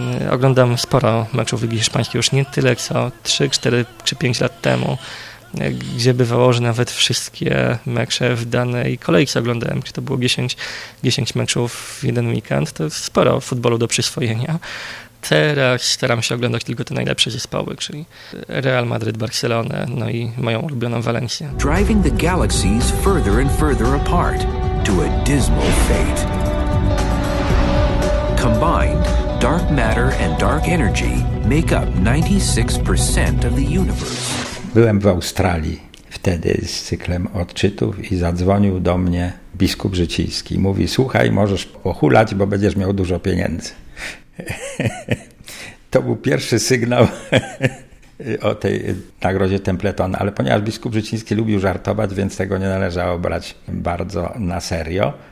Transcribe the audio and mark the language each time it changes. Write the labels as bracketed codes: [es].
[pl] Oglądam sporo meczów Ligi Hiszpańskiej, już nie tyle co 3, 4 czy 5 lat temu, gdzie bywało, że nawet wszystkie mecze w danej kolejce oglądałem, czy to było 10 meczów w jeden weekend. To jest sporo futbolu do przyswojenia. Teraz staram się oglądać tylko te najlepsze zespoły, czyli Real Madrid, Barcelonę, no i moją ulubioną Walencję. [en] Driving the galaxies further and further apart to a dismal fate. Combined, dark matter and dark energy make up 96% of the universe. [pl] Byłem w Australii wtedy z cyklem odczytów i zadzwonił do mnie biskup Życiński. Mówi: słuchaj, możesz pohulać, bo będziesz miał dużo pieniędzy. To był pierwszy sygnał o tej nagrodzie Templeton, ale ponieważ biskup Brzeciński lubił żartować, więc tego nie należało brać bardzo na serio.